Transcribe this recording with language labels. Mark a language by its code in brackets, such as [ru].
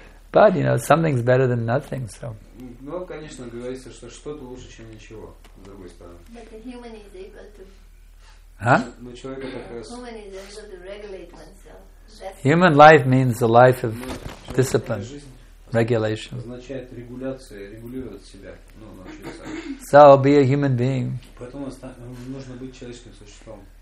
[en] But, you know, something's better than nothing, so. [ru] Ну, конечно, говорится, что что-то лучше, чем ничего, с другой стороны. [en] But the human is able to... Huh? [ru] Но человек это как раз... [en] Human is able to regulate oneself. That's human life means the life of discipline, regulation. [ru] Означает регуляция, регулировать себя, ну, научиться. [en] So, be a human being. [ru] Поэтому нужно быть человеческим существом.